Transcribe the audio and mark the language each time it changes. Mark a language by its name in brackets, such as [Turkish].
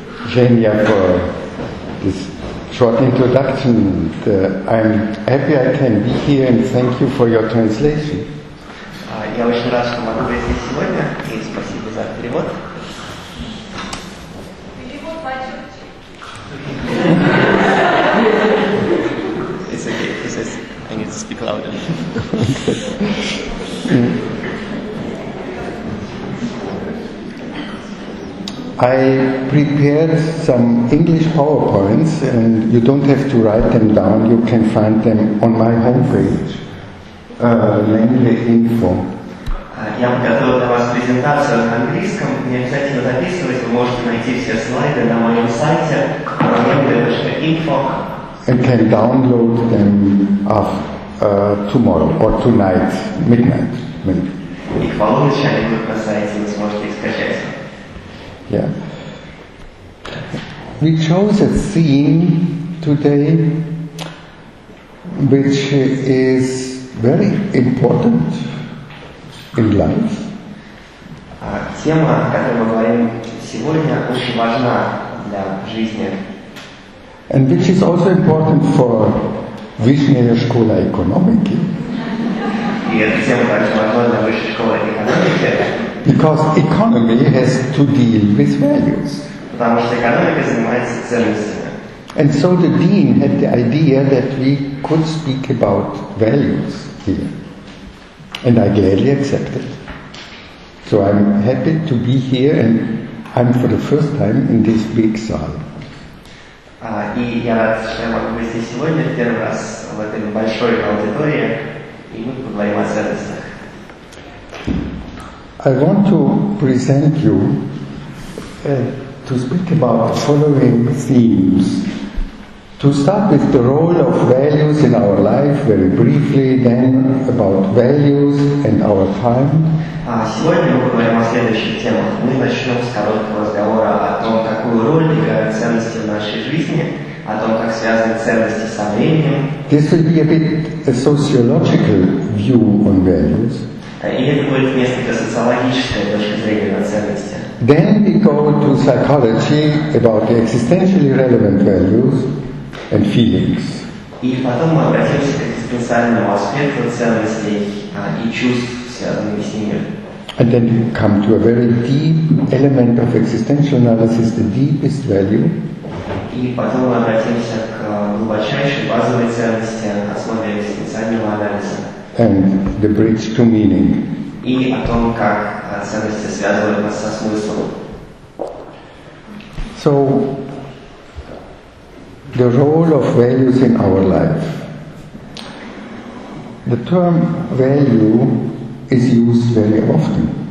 [English] Jane, yeah, for this short introduction, I'm happy I can be here and thank you for your translation. [Russian] Я очень рад, что могу быть здесь сегодня, и спасибо за перевод. Перевод почетче. [English] It's okay, he says, I need to speak louder. I prepared some English PowerPoints, and you don't have to write them down. You can find them on my homepage, language.info. [Russian] Я подготовил для вас презентацию на английском. Не обязательно записывать. Вы можете найти все слайды на моем сайте, language.info. [English] And can download them tomorrow or tonight, midnight. [Russian] И к полуночи они будут на сайте, вы сможете их скачать. [English] Yeah. We chose a theme today which is very important in life. [Russian] Тема, о которой мы говорим сегодня, очень важна для жизни. [English] And which is also important for Vishnaya Shkola Ekonomiki. [Russian] И эта тема также важна для Высшей школы экономики. [English] Because economy has to deal with values. [Russian] Потому что экономика занимается ценностями. [English] And so the dean had the idea that we could speak about values here. And I gladly accepted. So I'm happy to be here and I'm for the first time in this big sala. [Russian] И я рад, что я могу быть здесь сегодня, первый раз в этой большой аудитории, и мы поговорим о ценностях. [English] I want to present you to speak about the following themes. To start with the role of values in our life, very briefly, then about values and our time. [Russian] Сегодня мы поговорим о следующих темах. Мы начнем с короткого разговора о том, какую роль играют ценности в нашей жизни, о том, как связаны ценности со временем. [English] This will be a bit a sociological view on values. [Russian] И это будет несколько социологическая точка зрения на ценности. [English] Then we go to psychology about the existentially relevant values and feelings. [Russian] И потом мы обратимся к экзистенциальному аспекту ценностей и чувств, связанных с ними. [English] And then we come to a very deep element of existential analysis, the deepest value. [Russian] И потом мы обратимся к глубочайшей базовой ценности, основе экзистенциального анализа. [English] And the bridge to meaning. [Russian] И о том, как ценности связывают нас со смыслом. [English] So, the role of values in our life. The term value is used very often.